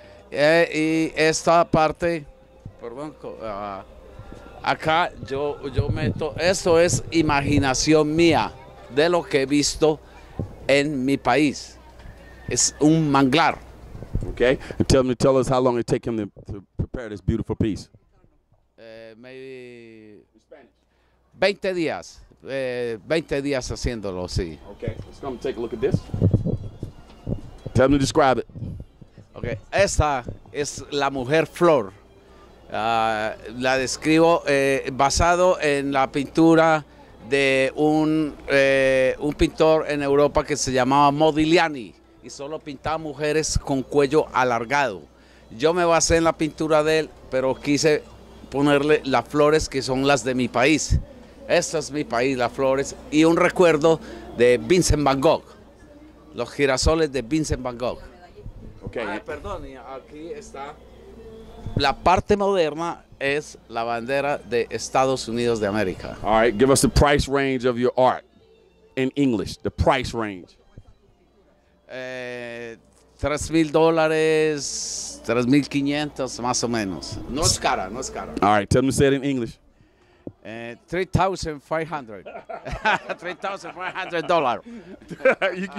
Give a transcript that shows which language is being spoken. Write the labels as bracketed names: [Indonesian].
[Spanish] Y esta parte, perdón, acá yo meto, eso es imaginación mía de lo que he visto en mi país. Es un manglar. [English] Okay, and tell me, tell us how long it take him to prepare this beautiful piece. Maybe [Spanish] 20 días. 20 días haciéndolo, sí. [English] Okay, let's come take a look at this. Tell me to describe it. [Spanish] Okay, esta es la mujer flor. La describo basado en la pintura de un pintor en Europa que se llamaba Modigliani y solo pintaba mujeres con cuello alargado. Yo me basé en la pintura de él, pero quise ponerle las flores que son las de mi país. Esta es mi país, las flores, y un recuerdo de Vincent Van Gogh, los girasoles de Vincent Van Gogh. [English] Okay. [Spanish] Ay, perdón, aquí está. La parte moderna es la bandera de Estados Unidos de América. [English] All right, give us the price range of your art in English, the price range. [Spanish] $3,000, $3,500, más o menos. No es cara, no es cara. [English] All right, tell me to say it in English. $3,500.